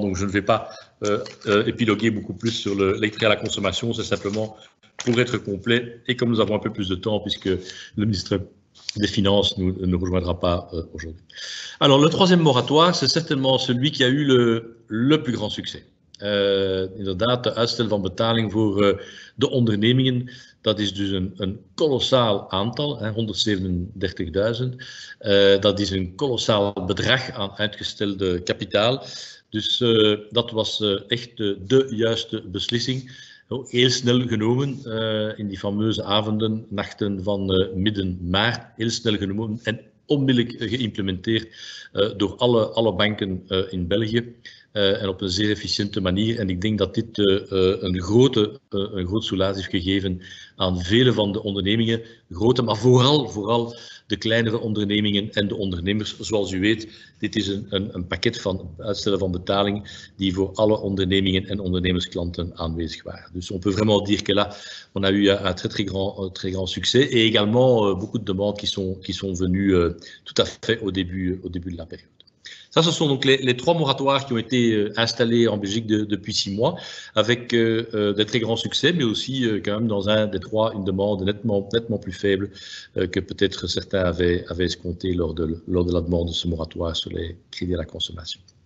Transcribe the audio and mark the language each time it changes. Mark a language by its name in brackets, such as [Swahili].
[French] Donc je ne vais pas épiloguer beaucoup plus sur les prêts à la consommation, c'est simplement pour être complet. Et comme nous avons un peu plus de temps, puisque le ministre des Finances ne rejoindra pas aujourd'hui. Alors le troisième moratoire, c'est certainement celui qui a eu le plus grand succès. [Dutch] Inderdaad, de uitstel van betaling voor de ondernemingen, dat is dus een kolossaal aantal, 137.000. Dat is een kolossaal bedrag aan uitgestelde kapitaal. Dus dat was echt de juiste beslissing. Heel snel genomen in die fameuze avonden, nachten van midden maart. Heel snel genomen en onmiddellijk geïmplementeerd door alle banken in België. En op een zeer efficiënte manier. En ik denk dat dit een groot soulage heeft gegeven aan vele van de ondernemingen. Grote, maar vooral de kleinere ondernemingen en de ondernemers. Zoals u weet, dit is een pakket van uitstellen van betaling die voor alle ondernemingen en ondernemersklanten aanwezig waren. Dus [French] on peut vraiment dire que là, on a eu un très très grand succès et également beaucoup de demandes qui sont venues tout à fait au début de la période. Ça, ce sont donc les trois moratoires qui ont été installés en Belgique depuis 6 mois, avec des très grands succès, mais aussi quand même dans un des trois, une demande nettement plus faible que peut-être certains avaient escompté lors de la demande de ce moratoire sur les crédits à la consommation.